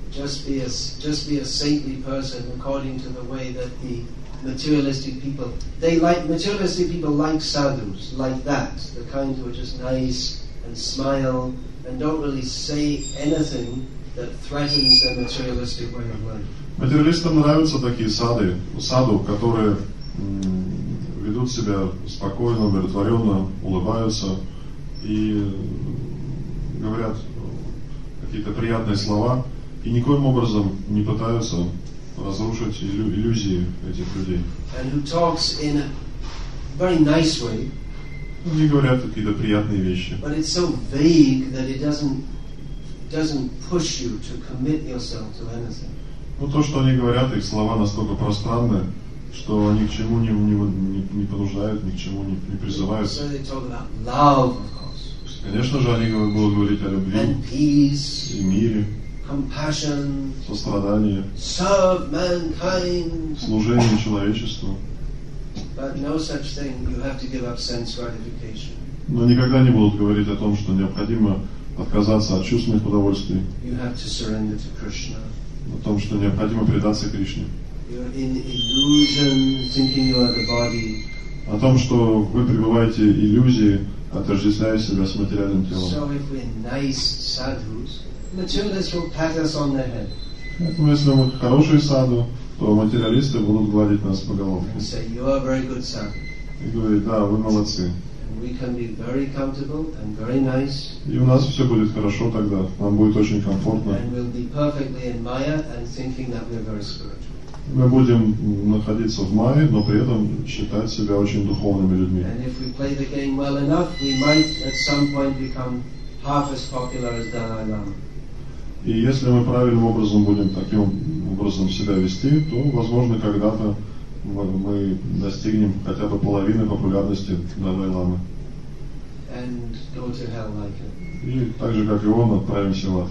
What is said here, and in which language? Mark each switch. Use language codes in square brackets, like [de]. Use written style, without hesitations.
[en] Just be a saintly person according to the way that the materialistic people they like materialistic people like sadhus, like that, the kind who are just nice and smile and don't really say anything that threatens their materialistic way of life. [ru] Материалистам нравятся такие саду, которые ведут себя спокойно, умиротворенно, улыбаются и говорят какие-то приятные слова и никоим образом не пытаются разрушить иллюзии этих людей. [en] And who talks in a very nice way. [ru] Они говорят какие-то приятные вещи. [en] But it's so vague that it doesn't push you to commit yourself to anything. [ru] Ну то, что они говорят, их слова настолько пространны, что ни к чему не побуждают, ни к чему не призывают. [en] So they talk about love. [ru] Конечно же, они будут говорить о любви, [en] and peace, [ru] и мире, [en] compassion, [ru] сострадание, [en] serve mankind, [ru] служение человечеству. [en] But no such thing. You have to give up sense gratification. [ru] Но никогда не будут говорить о том, что необходимо отказаться от чувственных удовольствий. [en] You have to surrender to Krishna. [ru] О том, что необходимо предаться Кришне. [en] You're in illusion, thinking you are the body. [ru] О том, что вы пребываете в иллюзии, отождествляя себя с материальным телом. [en] So if we're nice sadhus, materialists will pat us on the head. [ru] Поэтому если мы хорошие саду, то материалисты будут гладить нас по головке. [en] Say, you are very good, sir. [ru] И говорит, да, вы молодцы. [en] We can be very comfortable and very nice. [ru] И у нас все будет хорошо тогда. Нам будет очень комфортно. [en] And we'll be perfectly in Maya and thinking that we're very spiritual. [ru] Мы будем находиться в Майе, но при этом считать себя очень духовными людьми. [en] And if we play the game well enough, we might at some point become half as popular as Dalai Lama. [ru] И если мы правильным образом будем таким образом себя вести, то, возможно, когда-то мы достигнем хотя бы половины популярности Далай Ламы. И так же, как и он, отправимся в ад